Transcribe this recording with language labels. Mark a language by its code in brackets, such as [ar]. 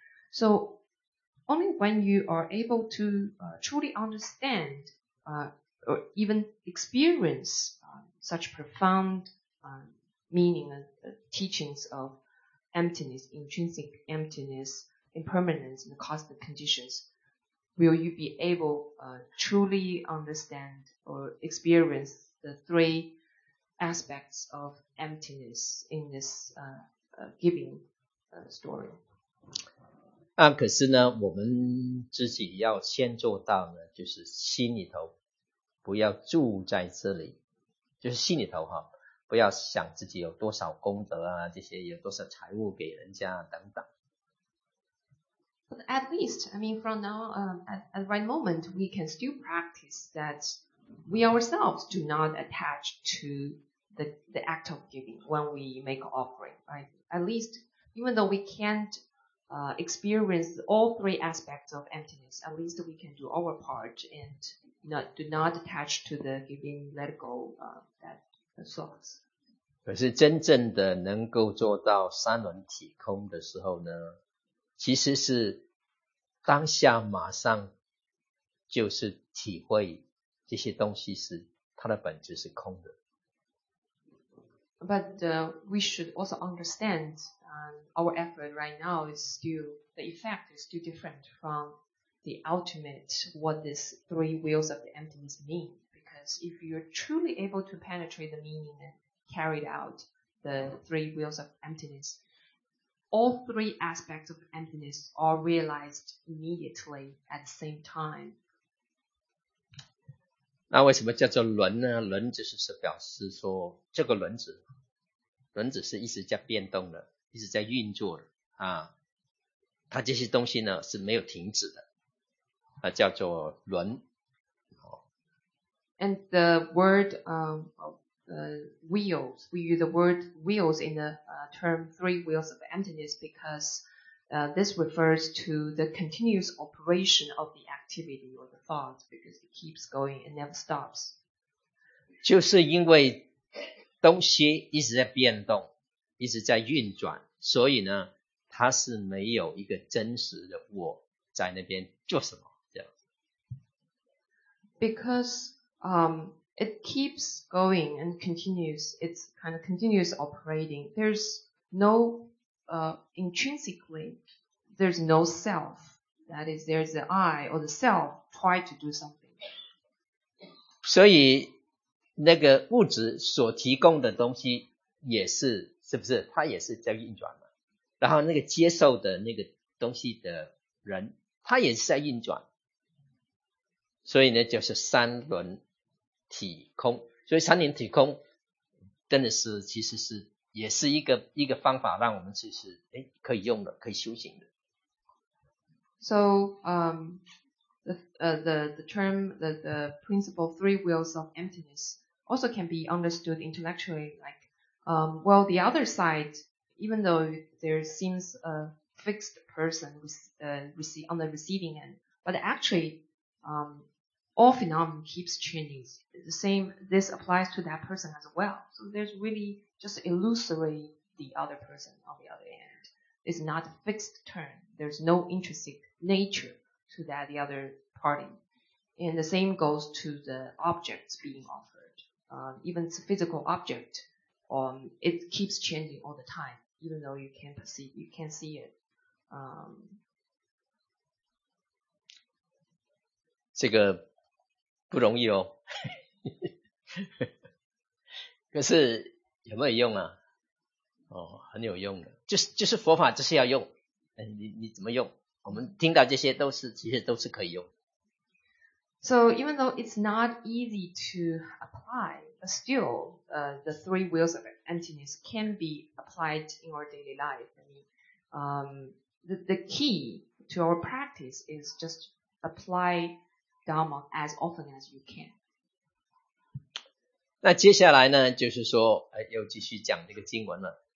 [en] So, only when you are able to truly understand, or even experience, such profound, meaning and teachings of emptiness, intrinsic emptiness, impermanence, and the cause and conditions, will you be able, truly understand or experience the threeaspects of emptiness in this giving story. [zh] 啊，可是呢，我们自己要先做到呢，就是心里头不要住在这里，就是心里头哈，不要想自己有多少功德啊，这些有多少财物给人家等等。 [en] But at least, I mean, from now, at the right moment, we can still practice that we ourselves do not attach to. The act of giving when we make an offering, right? At least, even though we can't experience all three aspects of emptiness, at least we can do our part and do not attach to the giving, let go that source. [zh] 可是真正的能够做到三轮体空的时候呢，其实是当下马上就是体会这些东西是它的本质是空的。 [en] But we should also understand our effort right now is still, the effect is still different from the ultimate, what these three wheels of the emptiness mean. Because if you're truly able to penetrate the meaning and carried out the three wheels of emptiness. All three aspects of emptiness are realized immediately at the same time. [zh] 那为什么叫做轮呢？轮就是表示说这个轮子，轮子是一直在变动的，一直在运作的啊。它这些东西呢是没有停止的，它叫做轮。 [en] And the word wheels, we use the word wheels in the term three wheels of emptiness because this refers to the continuous operation of the activity or the thought because it keeps going and never stops. [zh] 就是因为东西一直在变动，一直在运转，所以呢，它是没有一个真实的我在那边做什么这样。 [en] Because it keeps going and continues. It's kind of continuous operating. There's no intrinsically, there's no self. That is, there's the I or the self try to do something. [zh] 所以那个物质所提供的东西也是，是不是？它也是在运转嘛。然后那个接受的那个东西的人，他也是在运转。所以呢，就是三轮体空，所以三轮体空真的是其实是也是一个方法，让我们其实可以用的，可以修行的。 [en] So the principle three wheels of emptiness also can be understood intellectually like well the other side even though there seems a fixed person on the receiving end but actually all phenomena keeps changing. The same, this applies to that person as well. So there's really just illusory the other person on the other end. It's not a fixed term. There's no intrinsic nature to that the other party. And the same goes to the objects being offered. Even the physical object, it keeps changing all the time, even though you can't perceive, you can't see it. [zh] 这个不容易哦，可是有没有用啊？哦，很有用的，就是佛法就是要用。你怎么用？我们听到这些都是，其实都是可以用。 [en] So even though it's not easy to apply, but still, the three wheels of emptiness can be applied in our daily life. I mean, the key to our practice is just apply. Dharma as often as you can. [zh] 那接下来呢，就是说，又继续讲这个经文了。